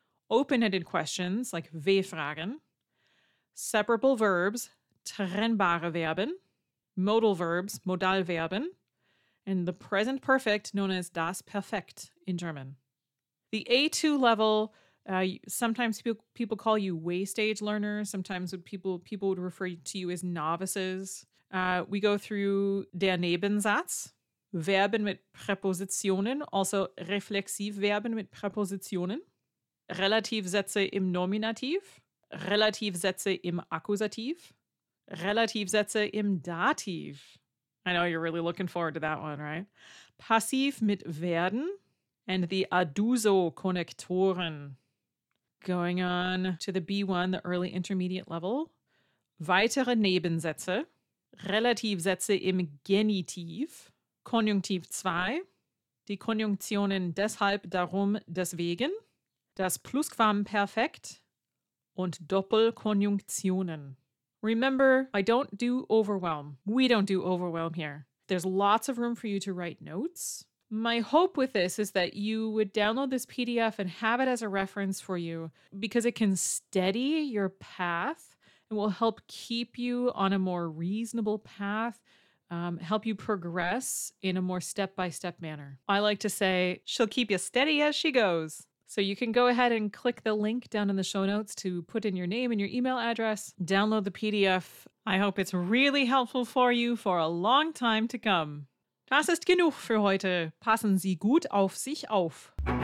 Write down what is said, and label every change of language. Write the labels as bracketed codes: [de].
[en] Open-ended questions, like W-Fragen. Separable verbs, trennbare Verben. Modal verbs, Modalverben. And the present perfect, known as Das Perfekt in German. The A2 level, sometimes people call you waystage learners. Sometimes people would refer to you as novices. We go through [de] der Nebensatz, Verben mit Präpositionen, also Reflexivverben mit Präpositionen, Relativsätze im Nominativ, Relativsätze im Akkusativ, Relativsätze im Dativ. [en] I know you're really looking forward to that one, right? [de] Passiv mit Werden [en] and the [de] Adduso-Konnektoren. [en] Going on to the B1, the early intermediate level, [de] weitere Nebensätze. Relativsätze im Genitiv, Konjunktiv 2, die Konjunktionen deshalb, darum, deswegen, das Plusquamperfekt und Doppelkonjunktionen. [en] Remember, I don't do overwhelm. We don't do overwhelm here. There's lots of room for you to write notes. My hope with this is that you would download this PDF and have it as a reference for you because it can steady your path. It will help keep you on a more reasonable path, help you progress in a more step-by-step manner. I like to say, she'll keep you steady as she goes. So you can go ahead and click the link down in the show notes to put in your name and your email address, download the PDF. I hope it's really helpful for you for a long time to come. [de] Das ist genug für heute. Passen Sie gut auf sich auf.